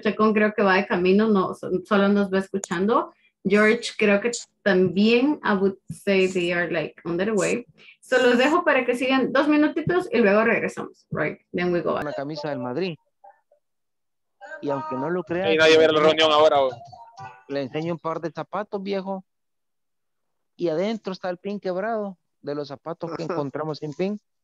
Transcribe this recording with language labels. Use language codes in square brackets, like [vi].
[es] Chacón creo que va de camino, no, solo nos va escuchando. [en] George, [es] creo que también, [en] I would say they are like on their way. [es] So los dejo para que sigan 2 minutitos y luego regresamos, right? [en] Then we go back. [es] Una camisa del Madrid. Y aunque no lo crean. Hey, nadie ve la reunión ahora. Le enseño un par de zapatos, viejo. Y adentro está el pin quebrado de los zapatos que encontramos sin pin.